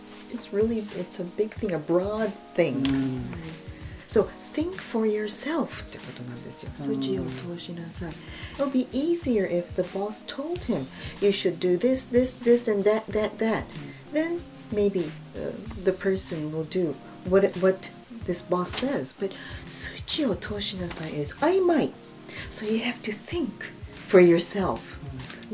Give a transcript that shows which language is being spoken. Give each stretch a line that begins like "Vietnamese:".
English: It's a big thing, a broad thing.、Mm-hmm. Right. So think for yourself
Japanese: ってことなんですよ。 Mm-hmm. 筋を通しなさい。
English: It'll be easier if the boss told him you should do this, this, this, and that, that, that.、Mm. Then maybe、the person will do what this boss says. But 筋を通しなさい is 曖昧. So you have to think for yourself. Mm-hmm.